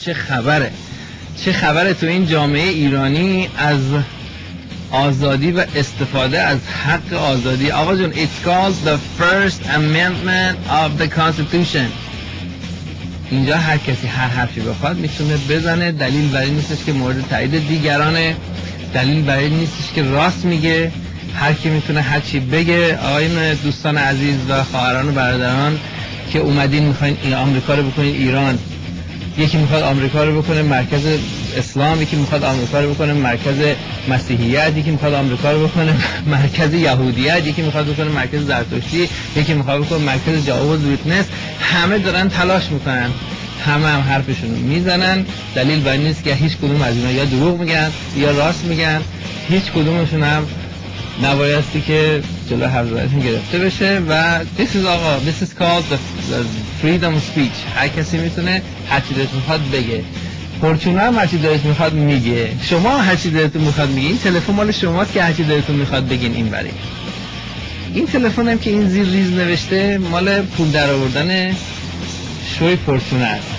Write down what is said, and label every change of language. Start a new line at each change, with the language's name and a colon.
Persian: چه خبره، چه خبره تو این جامعه ایرانی از آزادی و استفاده از حق آزادی. آقا جون،
English: it's called the first amendment of the constitution.
Persian: اینجا هر کسی هر حرفی بخواد میتونه بزنه. دلیل برای نیستش که مورد تایید دیگرانه، دلیل برای نیستش که راست میگه. هر کی میتونه هر چی بگه. آقای دوستان عزیز و خواهران و برادران که اومدین میخواین این آمریکا رو بکنین ایران، یکی میخواد آمریکا رو بکنه مرکز اسلام، یکی میخواد آمریکا رو بکنه مرکز مسیحیت، یکی میخواد آمریکا رو بکنه مرکز یهودیت، یکی میخواد بکنه مرکز زرتشتی، یکی میخواد بکنه مرکز جاوز ویتنس، همه دارن تلاش میکنن، همه هم حرفشون رو میزنن. دلیل بر نیست که هیچ کدوم از اینا یا دروغ میگن یا راست میگن. هیچ کدومشون هم نبایستی که جلو حضورتون گرفته بشه. و
English: this is
Persian: آقا
English: this is called the freedom of speech.
Persian: هر کسی میتونه هرچی دارت میخواد بگه. پرچونه هم هرچی دارت میخواد میگه. شما هرچی دارت میخواد میگه. این تلفن مال شما که هرچی دارت میخواد بگین این بره. این تلفن هم که این زیر ریز نوشته مال پول در آوردن شوی پرچونه هست.